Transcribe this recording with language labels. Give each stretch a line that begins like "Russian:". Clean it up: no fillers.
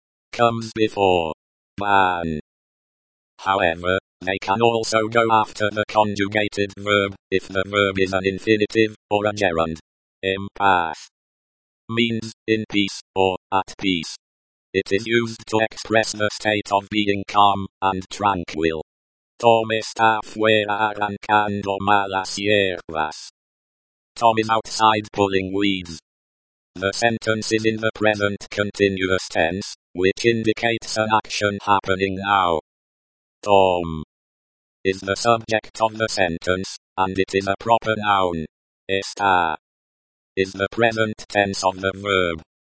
English: Comes before van. However, they can also go after the conjugated verb, if the verb is an infinitive, or a gerund. Empath. Means, in peace, or, at peace. It is used to express the state of being calm, and tranquil.
Spanish: Tom está fuera arrancando malas hierbas.
English: Tom is outside pulling weeds. The sentence is in the present continuous tense, which indicates an action happening now. Tom is the subject of the sentence, and it is a proper noun. Está is the present tense of the verb.